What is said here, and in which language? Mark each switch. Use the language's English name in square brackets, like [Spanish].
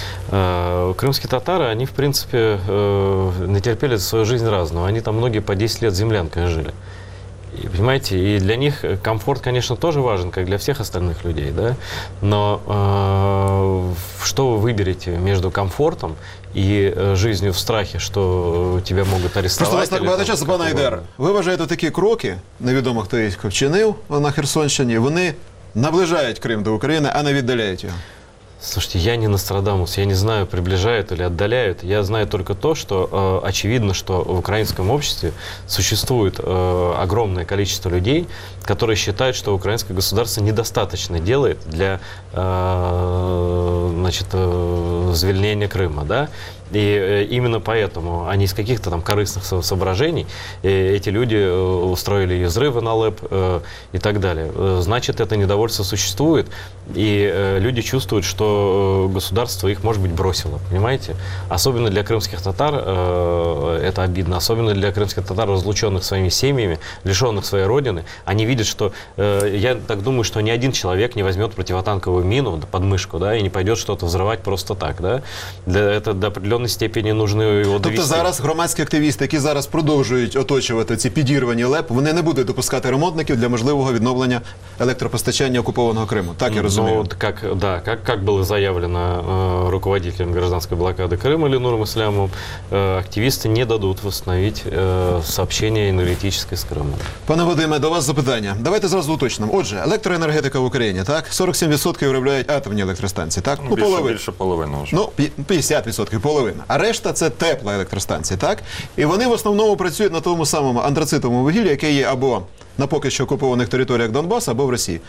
[Russian] Крымские татары, они, в принципе, натерпели за свою жизнь разного. Они там многие по 10 лет землянкой жили. И, понимаете, и для них комфорт, конечно, тоже важен, как для всех остальных людей, да? Но что вы выберете между комфортом и жизнью в страхе, что тебя могут арестовать? [Ukrainian] Просто у вас так багато часу, пан Айдер. Ви вважаєте, такі кроки, невідомо, хто їх вчинив на Херсонщині, вони наближають Крим до України, а не віддаляють його? [Russian] Слушайте, я не Нострадамус, я не знаю, приближают или отдаляют. Я знаю только то, что очевидно, что в украинском обществе существует огромное количество людей, которые считают, что украинское государство недостаточно делает для звельнения Крыма. Да? И именно поэтому они из каких-то там корыстных соображений, эти люди устроили и взрывы на ЛЭП и так далее. Значит, это недовольство существует, и люди чувствуют, что государство их, может быть, бросило, понимаете? Особенно для крымских татар это обидно, особенно для крымских татар, разлученных своими семьями, лишенных своей родины. Они видят, что, я так думаю, что ни один человек не возьмет противотанковую мину под мышку, да, и не пойдет что-то взрывать просто так, да? Это до определенной степени нужно его довести. [Ukrainian] Тобто зараз громадські активісти, які зараз продовжують оточувати ці підірвані ЛЕП, вони не будуть допускати ремонтників для можливого відновлення електропостачання окупованого Криму. Так я розумію. [Russian] Ну, как было заявлено руководителем гражданской блокады Крыма Ленуром Ислямовым, активисты не дадут восстановить сообщение энергетическое с Крымом. [Ukrainian] Пане Вадиме, до вас запитання. Давайте зразу уточним. Отже, електроенергетика в Україні, так? 47% виробляють атомні електростанції, так? Ну, більше половини вже. Ну, 50% половина. А решта – це тепла електростанції, так? І вони в основному працюють на тому самому антрацитовому вугіллі, яке є або на поки що окупованих територіях Донбасу або в Росії.